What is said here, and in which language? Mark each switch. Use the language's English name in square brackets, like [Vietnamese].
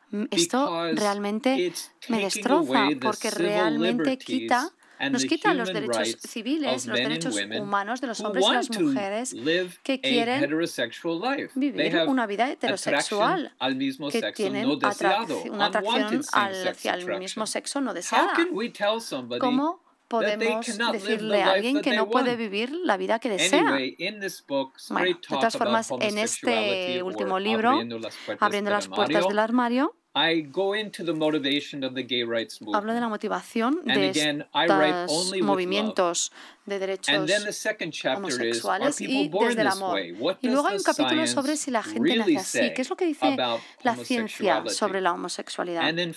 [Spanish] Esto realmente me destroza porque realmente nos quita los derechos civiles, los derechos humanos de los hombres y las mujeres que quieren vivir una vida heterosexual, que tienen una atracción hacia el mismo sexo no deseada. ¿Cómo podemos decirle a alguien que no puede vivir la vida que desea? Bueno, de todas formas, en este último libro, Abriendo las puertas del armario, [English] I go into the motivation of the gay rights movement. [Spanish] Hablo de la motivación de estos movimientos de derechos homosexuales y desde el amor. Y luego hay un capítulo sobre si la gente nace así. ¿Qué es lo que dice la ciencia sobre la homosexualidad?